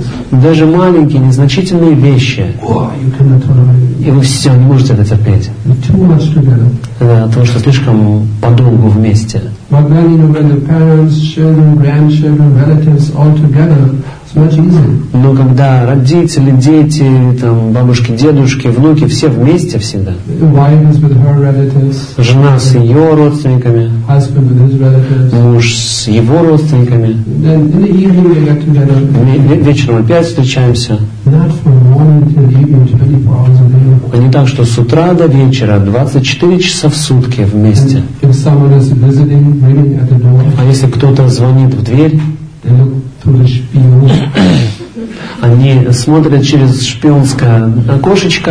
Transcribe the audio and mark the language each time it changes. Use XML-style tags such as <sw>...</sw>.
<ru>Даже маленькие, незначительные вещи. И вы все, не можете это терпеть.</ru> <en>Too much together.</en> <ru>Да, потому что слишком подолгу вместе.</ru> <en>But then, you know, when the parents, children, grandchildren, relatives all together, it's much easier.</en> <ru>Но когда родители, дети, там, бабушки, дедушки, внуки, все вместе всегда.</ru> <en>The wife is with her relatives.</en> <ru>Жена с ее родственниками.</ru> <en>Husband with his relatives.</en> <ru>Муж с его родственниками.</ru> <en>Then in the evening they get together.</en> <ru>Вечером опять встречаемся.</ru> <en>Not from morning till evening, 24 hours a day.</en> <ru>А не так, что с утра до вечера, 24 часа в сутки вместе.</ru> <en>And if someone is visiting, ringing at the door.</en> <ru>А если кто-то звонит в дверь,</ru> <en>they look through the spion.</en> <ru>Они смотрят через шпионское окошечко.</ru>